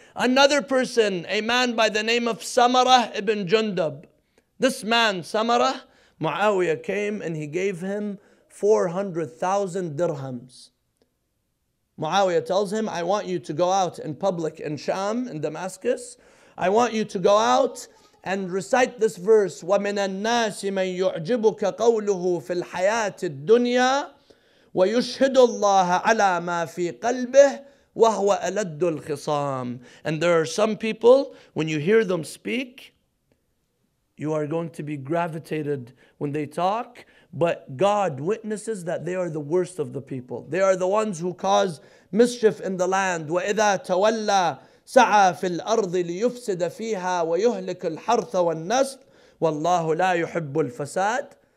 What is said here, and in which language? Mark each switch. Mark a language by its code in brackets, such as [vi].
[en] Another person, a man by the name of Samarah ibn Jundab. This man, Samarah, Muawiyah came and he gave him 400,000 dirhams. Muawiyah tells him, I want you to go out in public in Sham, in Damascus. [ar] I want you to go out and recite this verse, وَمِنَ النَّاسِ مَنْ يُعْجِبُكَ قَوْلُهُ فِي الْحَيَاةِ الدُّنْيَا وَيُشْهِدُ اللَّهَ عَلَى مَا فِي قَلْبِهِ وَهُوَ أَلَدُّ الْخِصَامِ. [en] And there are some people, when you hear them speak, you are going to be gravitated when they talk, But God witnesses that they are the worst of the people. They are the ones who cause mischief in the land. [ar] وَإِذَا تَوَلَّى سَعَى فِي الْأَرْضِ لِيُفْسِدَ فِيهَا وَيُهْلِكَ الْحَرْثَ وَالنَّسْلِ وَاللَّهُ لَا يُحِبُّ الْفَسَادِ.